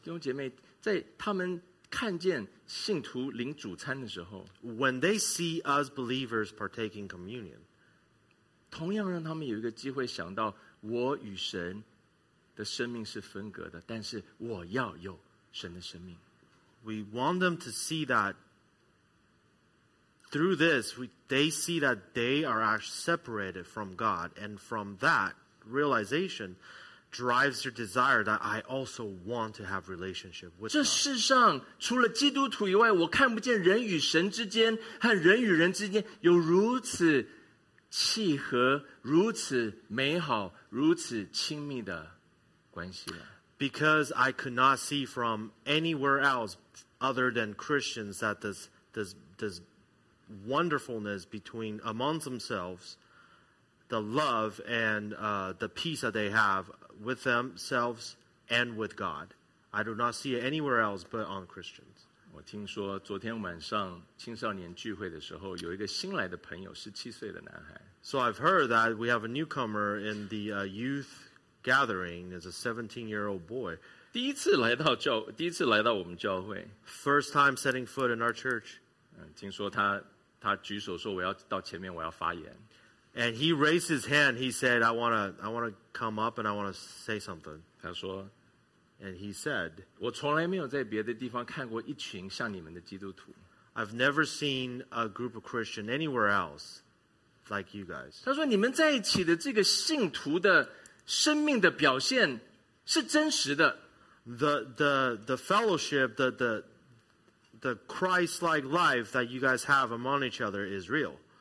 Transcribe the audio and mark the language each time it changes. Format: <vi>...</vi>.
<zh>弟兄姐妹,在他们看见信徒领主餐的时候,</zh> <en>when they see us believers partaking communion,</en> <zh>同样让他们有一个机会想到,我与神的生命是分隔的,但是我要有神的生命。</zh> <en>We want them to see that through this, they see that they are actually separated from God. And from that realization drives your desire that I also want to have relationship with God.</en> <zh>这世上除了基督徒以外, 我看不见人与神之间和人与人之间有如此契合, 如此美好, 如此亲密的关系了。</zh> <en>Because I could not see from anywhere else other than Christians that this wonderfulness between amongst themselves, the love and the peace that they have with themselves and with God. I do not see it anywhere else but on Christians.</en> <zh>我听说昨天晚上青少年聚会的时候, 有一个新来的朋友, 17岁的男孩。</zh> <en>So I've heard that we have a newcomer in the youth gathering is a 17-year-old boy.</en> <zh>第一次来到我们教会,</zh> <en>first time setting foot in our church.</en> <zh>听说他举手说我要到前面我要发言。</zh> <en>And he raised his hand. He said, I want to come up and I want to say something.</en> <zh>他说,</zh> <en>and he said,</en> <zh>我从来没有在别的地方看过一群像你们的基督徒。</zh> <en>I've never seen a group of Christian anywhere else like you guys.</en> <zh>他说你们在一起的这个信徒的</zh> <en>The fellowship, the Christ-like life that you guys have among each other is real.</en>